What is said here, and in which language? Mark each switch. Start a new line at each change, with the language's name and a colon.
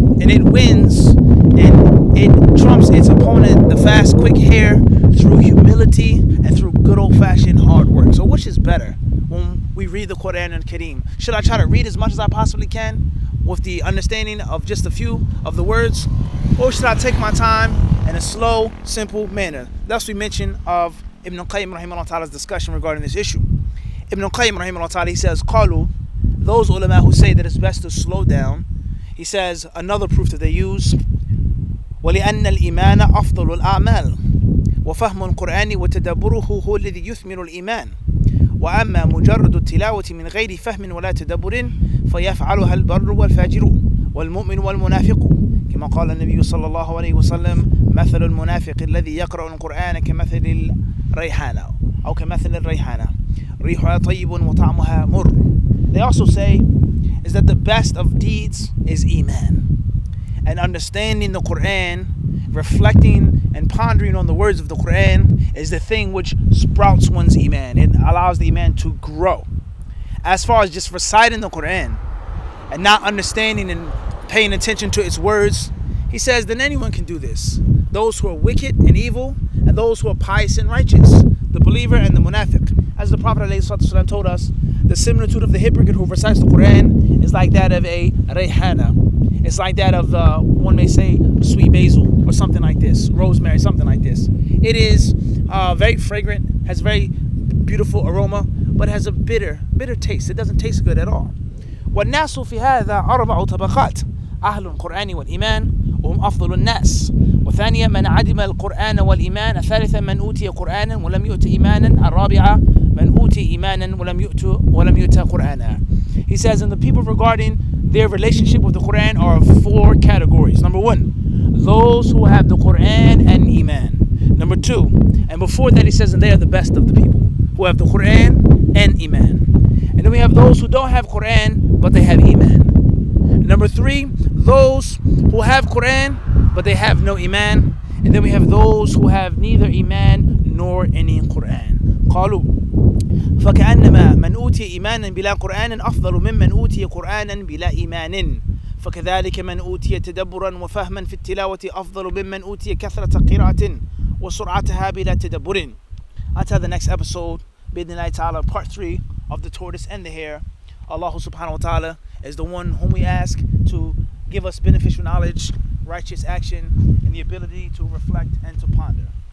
English: And it wins and it trumps its opponent, the fast, quick hare, through humility and through good old-fashioned hard work. So which is better when we read the Quran and Kareem? Should I try to read as much as I possibly can with the understanding of just a few of the words? Or should I take my time in a slow, simple manner? Thus we mention of Ibn Qayyim rahimahullah ta'ala's discussion regarding this issue. Ibn Qayyim rahimahullah ta'ala, he says, Qalu, those ulama who say that it's best to slow down, he says, another proof that they use,
Arabic: وَلِأَنَّ الْإِيمَانَ أَفْضَلُ الْأَعْمَالِ وَفَهْمُ الْقُرْآنِ وَتَدَبُرُهُ هُوَ الَّذِي يُثْمِرُ الْإِيمَانِ وَأَمَّا مُجَرَّدُ التِّلَاوَةِ مِنْ غَيْرِ فَهْمٍ وَلَا تَدَبُرٍ فَيَفْعَلُهَا الْبَرُّ وَالْفَاجِرُ وَالْمُؤْمِنُ وَالْمُنَافِقُ كما قال النبي صلى الله عليه وسلم مثل المنافق الذي يقرأ القرآن كمثل الريحانة أو كمثل الريحانة ريحها طيب وطعمها مر.
English: They also say is that the best of deeds is iman, and understanding the Quran, reflecting and pondering on the words of the Quran, is the thing which sprouts one's iman and allows the iman to grow. As far as just reciting the Quran and not understanding and paying attention to its words, he says, then anyone can do this. Those who are wicked and evil, and those who are pious and righteous, the believer and the munafiq. As the Prophet ﷺ told us, the similitude of the hypocrite who recites the Quran is like that of a rehana. It's like that of, one may say, sweet basil or something like this, rosemary, something like this. It is very fragrant, has very beautiful aroma, but has a bitter taste. It doesn't taste good at all.
Arabic: والناس في هذا أربع طبقات أهل القرآن والإيمان وهم أفضل الناس وثانيا من عدم القرآن والإيمان ثالثا من أوتي قرآنا ولم يؤت إيمانا الرابعة من أوتي إيمانا ولم يؤت قرآنا.
English: He says, and the people regarding their relationship with the Quran are of four categories. Number one, those who have the Quran and Iman. Number two, and before that he says, and they are the best of the people who have the Quran and Iman. And then we have those who don't have Quran, but they have Iman. Number three, those who have Quran, but they have no Iman. And then we have those who have neither Iman nor any Quran.
Arabic: قالوا فكأنما من أوتي إيمانا بلا قرآن أفضل ممن أوتي قرآنا بلا إيمان فكذلك من أوتي تدبرا وفهما في التلاوة أفضل ممن أوتي كثرة قراءة وسرعتها بلا تدبر.
English: Until the next episode,
Arabic: بإذن الله تعالى,
English: part 3 of the tortoise and the hare. Allah subhanahu wa ta'ala is the one whom we ask to give us beneficial knowledge, righteous action, and the ability to reflect and to ponder.